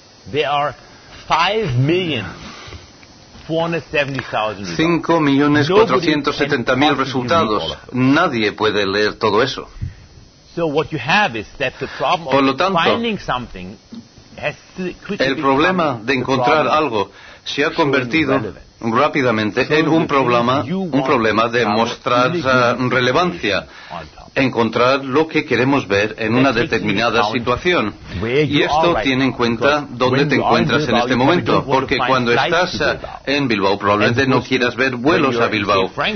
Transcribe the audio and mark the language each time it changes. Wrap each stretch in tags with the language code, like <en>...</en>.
<en>there are 5,470,000</en> <es>resultados. Nadie puede leer todo eso.</es> <en>So what you have is that the problem of finding something has quickly.</en> <es>El problema de encontrar algo se ha convertido rápidamente en un problema de mostrar relevancia, encontrar lo que queremos ver en una determinada situación. Y esto tiene en cuenta dónde te encuentras en este momento, porque cuando estás en Bilbao probablemente no quieras ver vuelos a Bilbao.</es>